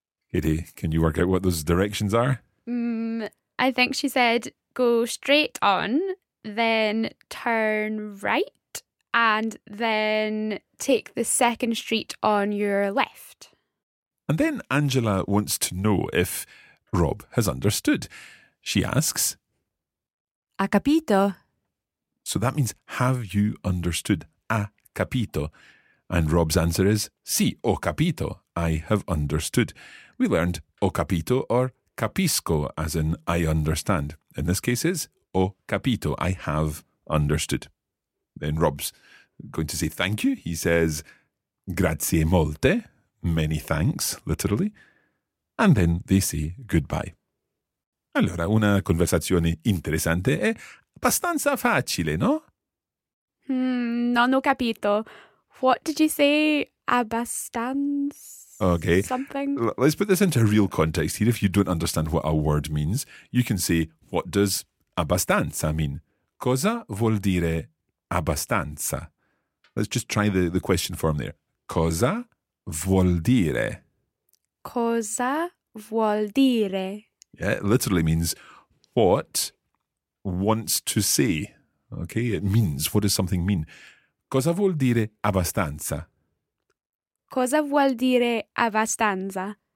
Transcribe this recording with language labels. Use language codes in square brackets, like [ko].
[en] Kitty, can you work out what those directions are? I think she said go straight on, then turn right, and then take the second street on your left. And then Angela wants to know if Rob has understood. She asks, [it] ha capito? [en] So that means, have you understood? [it] Ha capito? [en] And Rob's answer is, [it] sì, ho capito. [en] I have understood. We learned [it] ho capito [en] or capisco, as in I understand. In this case is, [it] ho capito, [en] I have understood. Then Rob's going to say thank you. He says, [it] grazie molte, [en] many thanks, literally. And then they say goodbye. [it] Allora, una conversazione interessante è abbastanza facile, no? Non ho capito. [en] What did you say? [it] Abbastanza? [en] Okay, something. Let's put this into a real context here. If you don't understand what a word means, you can say, what does abbastanza mean? [it] Cosa vuol dire abbastanza? [en] Let's just try the question form there. [it] Cosa vuol dire? Cosa vuol dire? [en] Yeah, it literally means what wants to say. Okay, it means, what does something mean? [it] Cosa vuol dire abbastanza? Cosa vuol dire abbastanza?